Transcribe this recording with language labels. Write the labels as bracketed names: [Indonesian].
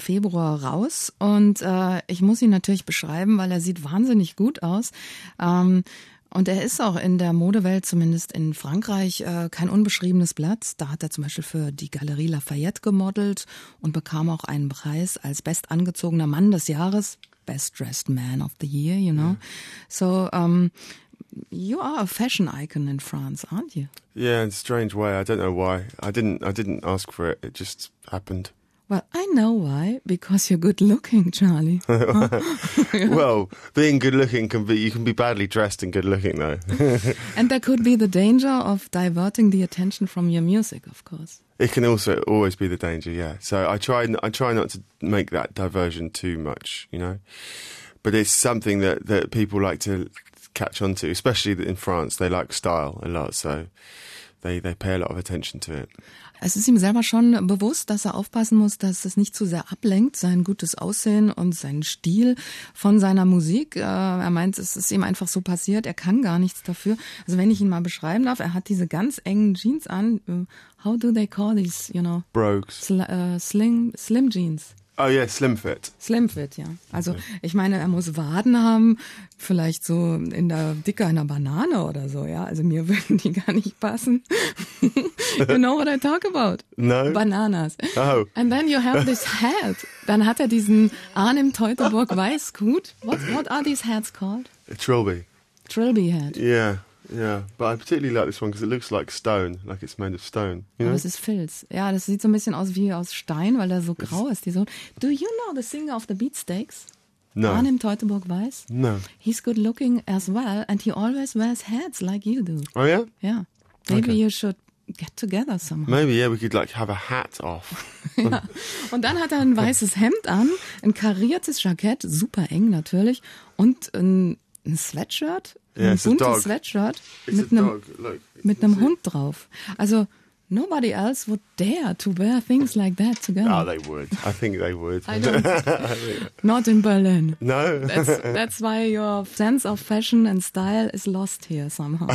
[German] Februar raus und ich muss ihn natürlich beschreiben, weil er sieht wahnsinnig gut aus. Und er ist auch in der Modewelt, zumindest in Frankreich, kein unbeschriebenes Blatt. Da hat er zum Beispiel für die Galerie Lafayette gemodelt und bekam auch einen Preis als bestangezogener Mann des Jahres. [English] Best dressed man of the year, you know. Yeah. So, you are a fashion icon in France, aren't you? Yeah, in a strange way. I don't know why. I didn't ask for it. It just happened. Well, I know why. Because you're good looking, Charlie. Well, being good looking can be, you can be badly dressed and good looking, though. And there could be the danger of diverting the attention from your music, of course. It can also always be the danger, yeah. So I try not to make that diversion too much, you know. But it's something that people like to catch on to, especially in France. They like style a lot, so they pay a lot of attention to it. [German] Es ist ihm selber schon bewusst, dass er aufpassen muss, dass es nicht zu sehr ablenkt, sein gutes Aussehen und sein Stil von seiner Musik. Er meint, es ist ihm einfach so passiert, er kann gar nichts dafür. Also wenn ich ihn mal beschreiben darf, er hat diese ganz engen Jeans an. [English] How do they call these, you know? Brogues. Slim Jeans. Oh yeah, Slim Fit, [German] ja. Also okay. Ich meine, er muss Waden haben, vielleicht so in der Dicke einer Banane oder so, ja. Also mir würden die gar nicht passen. [English] You know what I talk about? No. Bananas. Oh. And then you have this hat. [German] Dann hat er diesen Arnim Teutoburg Weißgut. [English] What are these hats called? A Trilby. Trilby hat. Yeah. Yeah, but I particularly like this one because it looks like stone, like it's made of stone. You know? [German] Oh, es ist Filz. Ja, das sieht so ein bisschen aus wie aus Stein, weil er so grau ist. [English] Do you know the singer of the Beatsteaks? No. Arnim Teutoburg Weiß? No. He's good looking as well and he always wears hats like you do. Oh, yeah? Yeah. Maybe okay. You should get together somehow. Maybe, yeah, we could like have a hat off. [German] Ja. Und dann hat er ein weißes Hemd an, ein kariertes Jackett, super eng natürlich, und ein Sweatshirt. [English] Yeah, [German] ein buntes Sweatshirt mit einem Hund drauf. [English] Also, nobody else would dare to wear things like that together. Oh, they would. I think they would. I don't. Not in Berlin. No. That's why your sense of fashion and style is lost here somehow.